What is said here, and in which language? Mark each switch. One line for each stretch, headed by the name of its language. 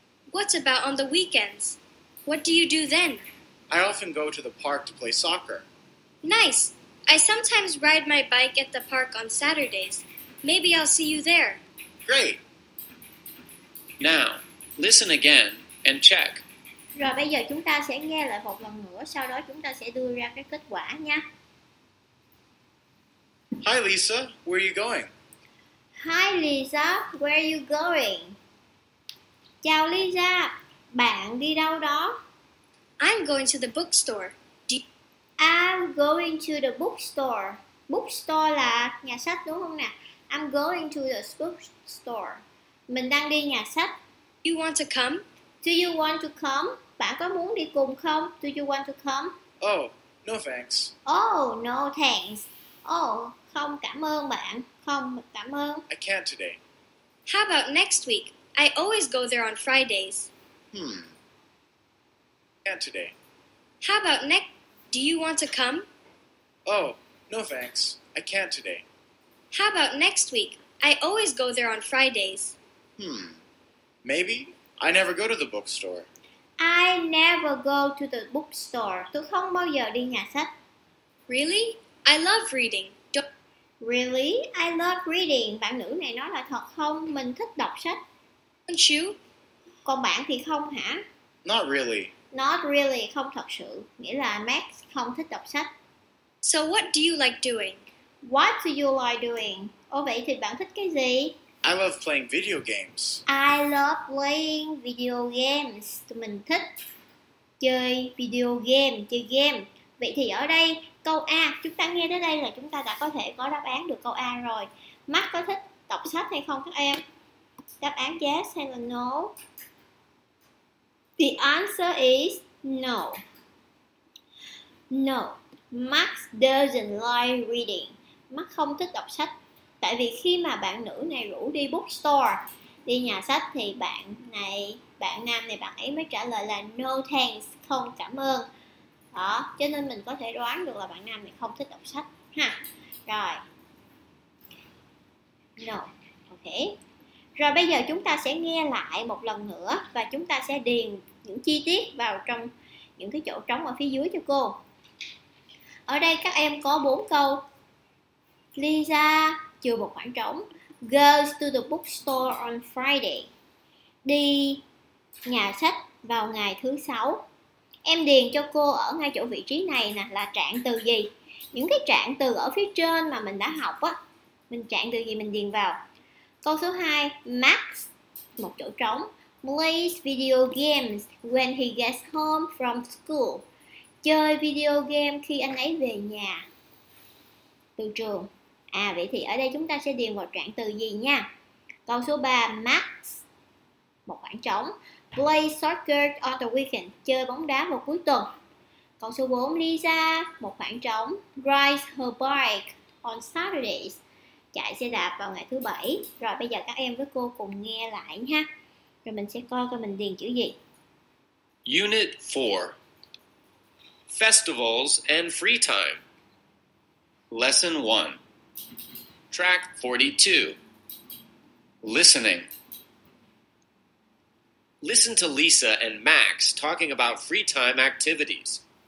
English: What about on the weekends? What do you do then? I often go to the park to play soccer. Nice. I sometimes ride my bike at the park on Saturdays. Maybe I'll see you there. Great. Now, listen again and check.
Vietnamese: Rồi bây giờ chúng ta sẽ nghe lại một lần nữa, sau đó chúng ta sẽ đưa ra cái kết quả nha.
English: Hi Lisa, where are you going? Hi Lisa, where are you going?
Vietnamese: Chào Lisa, bạn đi đâu đó?
English: I'm going to the bookstore. I'm going to the bookstore.
Vietnamese: Bookstore là nhà sách đúng không nè?
English: I'm going to the bookstore.
Vietnamese: Mình đang đi nhà sách.
English: You want to come? Do you want to come?
Vietnamese: Bạn có muốn đi cùng không?
English: Do you want to come? Oh, no thanks. Oh, no thanks.
Vietnamese: Oh, không cảm ơn bạn. Không cảm ơn.
English: I can't today. How about next week? I always go there on Fridays. Can't today. How about next? Do you want to come? Oh, no thanks. I can't today. How about next week? I always go there on Fridays. Maybe. I never go to the bookstore. I never go to the bookstore.
Vietnamese: Tôi không bao giờ đi nhà sách.
English: Really? I love reading. Really? I love reading.
Vietnamese: Bạn nữ này nói là thật không? Mình thích đọc sách.
English: Don't you?
Vietnamese: Còn bạn thì không hả?
English: Not really. Not really.
Vietnamese: Không thật sự. Nghĩa là Max không thích đọc sách.
English: So what do you like doing? What do you like doing?
Vietnamese: Ồ vậy thì bạn thích cái gì?
English: I love playing video games. I love playing video games.
Vietnamese: Mình thích chơi video game, chơi game. Vậy thì ở đây câu A, chúng ta nghe tới đây là chúng ta đã có thể có đáp án được câu A rồi. Max có thích đọc sách hay không các em? Đáp án yes hay là no?
English: The answer is no. No, Max doesn't like reading.
Vietnamese: Max không thích đọc sách. Tại vì khi mà bạn nữ này rủ đi bookstore, đi nhà sách thì bạn nam này bạn ấy mới trả lời là
English: no thanks,
Vietnamese: không cảm ơn. Đó, cho nên mình có thể đoán được là bạn nam này không thích đọc sách ha. Rồi.
English: No. Ok.
Vietnamese: Rồi bây giờ chúng ta sẽ nghe lại một lần nữa và chúng ta sẽ điền những chi tiết vào trong những cái chỗ trống ở phía dưới cho cô. Ở đây các em có 4 câu. Lisa chưa một khoảng trống.
English: Goes to the bookstore on Friday.
Vietnamese: Đi nhà sách vào ngày thứ sáu. Em điền cho cô ở ngay chỗ vị trí này nè là trạng từ gì. Những cái trạng từ ở phía trên mà mình đã học á, mình trạng từ gì mình điền vào. Câu số 2, Max một chỗ trống.
English: Plays video games when he gets home from school.
Vietnamese: Chơi video game khi anh ấy về nhà từ trường. À vậy thì ở đây chúng ta sẽ điền vào trạng từ gì nha. Câu số 3, Max một khoảng trống.
English: Play soccer on the weekend,
Vietnamese: chơi bóng đá vào cuối tuần. Câu số 4, Lisa một khoảng trống.
English: Rides her bike on Saturdays,
Vietnamese: chạy xe đạp vào ngày thứ bảy. Rồi bây giờ các em với cô cùng nghe lại nha. Rồi mình sẽ coi mình điền chữ gì.
English: Unit 4. Festivals and free time. Lesson 1. Track 42. Listening. Listen to Lisa and Max talking about free time activities.